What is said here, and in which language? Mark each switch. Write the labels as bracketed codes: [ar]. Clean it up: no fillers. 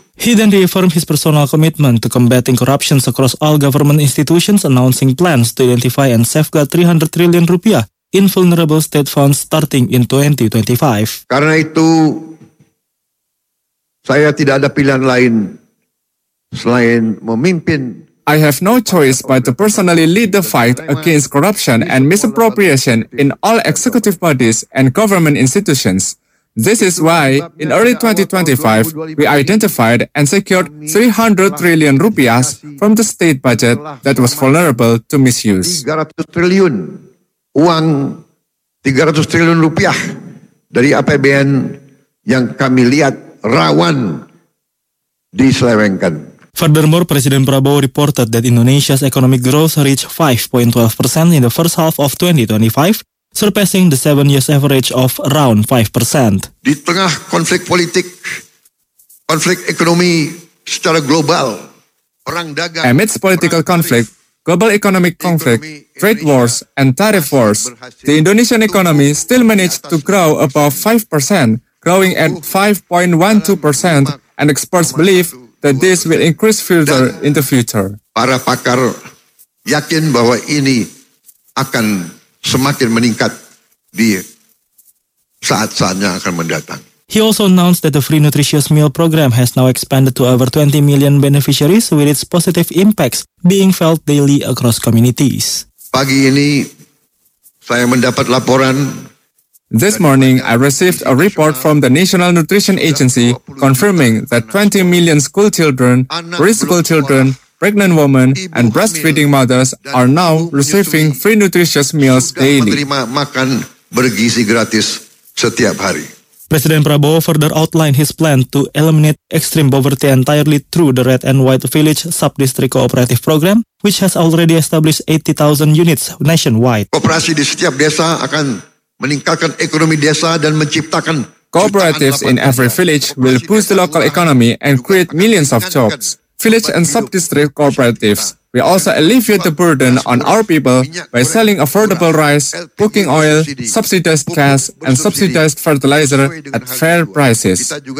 [en] He then reaffirmed his personal commitment to combating corruptions across all government institutions, announcing plans to identify and safeguard 300 trillion rupiah in vulnerable state funds starting in 2025. [id] Karena itu, saya tidak ada pilihan lain selain memimpin. [en] I have no choice but to personally lead the fight against corruption and misappropriation in all executive bodies and government institutions. This is why, in early 2025, we identified and secured 300 trillion rupiahs from the state budget that was vulnerable to misuse. 300 trillion. [id] Uang 300 triliun rupiah dari APBN yang kami lihat rawan diselewengkan. [en] Furthermore, President Prabowo reported that Indonesia's economic growth reached 5.12% in the first half of 2025, surpassing the 7 years average of around 5%. [id] Di tengah konflik politik, konflik ekonomi secara global, perang dagang, [en] amidst political conflict, global economic conflict, trade wars, and tariff wars, the Indonesian economy still managed to grow above 5%, growing at 5.12%, and experts believe that this will increase further in the future. [id] Para pakar yakin bahwa ini akan semakin meningkat di saat-saatnya akan mendatang. [en] He also announced that the free nutritious meal program has now expanded to over 20 million beneficiaries, with its positive impacts being felt daily across communities. [id] Pagi ini, saya mendapat laporan. [en] This morning, I received a report from the National Nutrition Agency confirming that 20 million school children, preschool children, pregnant women, and breastfeeding mothers are now receiving free nutritious meals daily. [id] Makan bergizi gratis setiap hari. [en] President Prabowo further outlined his plan to eliminate extreme poverty entirely through the Red and White Village Sub-District Cooperative Program, which has already established 80,000 units nationwide. [id] Koperasi di setiap desa akan meningkatkan ekonomi desa dan menciptakan [en] Cooperatives in every village will boost the local economy and create millions of jobs. Village and sub-district cooperatives will also alleviate the burden on our people by selling affordable rice, cooking oil, subsidized gas, and subsidized fertilizer at fair prices.